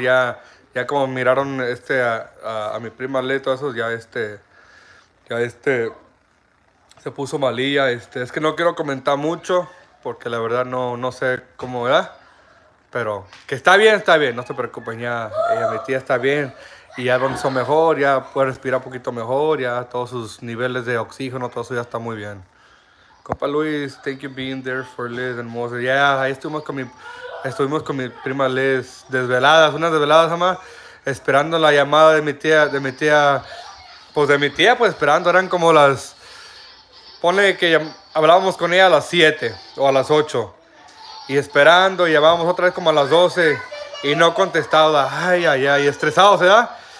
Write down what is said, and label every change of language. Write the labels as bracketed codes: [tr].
[es] Ya como miraron a mi prima Le, todo eso, ya se puso malilla. Es que no quiero comentar mucho, porque la verdad no sé cómo era. Pero que está bien, no se preocupen ya. Mi tía está bien. Y ya lo mejor, ya puede respirar un poquito mejor, ya todos sus niveles de oxígeno, todo eso ya está muy bien. [en] Compa Luis, thank you being there for Liz and Moses. [es] Ya, ahí estuvimos con mi prima Liz, desveladas, unas desveladas, mamá, esperando la llamada de mi tía, pues esperando, eran como las, ponle que hablábamos con ella a las 7 o a las 8, y esperando, y llamábamos otra vez como a las 12, y no contestaba, ay, estresados, ¿verdad?